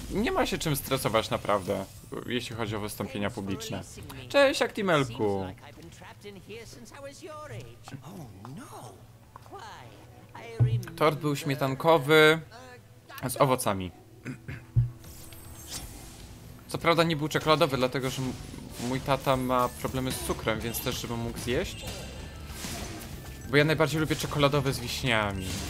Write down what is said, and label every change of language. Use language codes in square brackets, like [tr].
[pl] Nie ma się czym stresować naprawdę, jeśli chodzi o wystąpienia publiczne. Cześć, Actimelku! [en] been here since I was your age. Oh no. Why? [pl] Tort był śmietankowy z owocami. Co prawda nie był czekoladowy, dlatego że mój tata ma problemy z cukrem, więc też żebym mógł zjeść. Bo ja najbardziej lubię czekoladowe z wiśniami.